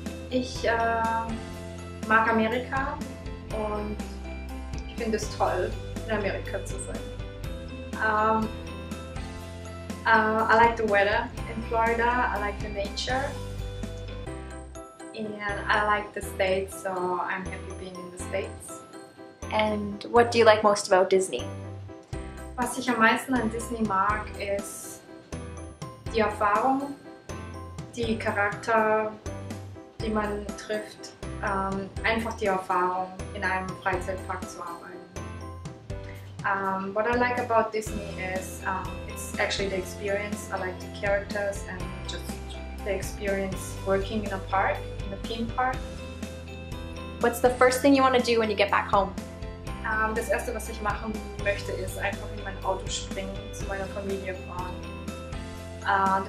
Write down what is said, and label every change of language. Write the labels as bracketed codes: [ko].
[de] Ich mag Amerika und ich finde es toll, in Amerika zu sein. [en] I like the weather in Florida, I like the nature and I like the States, so I'm happy being in the States. And what do you like most about Disney? [de] Was ich am meisten an Disney mag ist die Erfahrung, die Charakter, die man trifft, einfach die Erfahrung, in einem Freizeitpark zu arbeiten. [en] What I like about Disney is, it's actually the experience. I like the characters and just the experience working in a park, in a theme park. What's the first thing you want to do when you get back home? [de] Das erste, was ich machen möchte, ist einfach in mein Auto springen, zu meiner Familie fahren.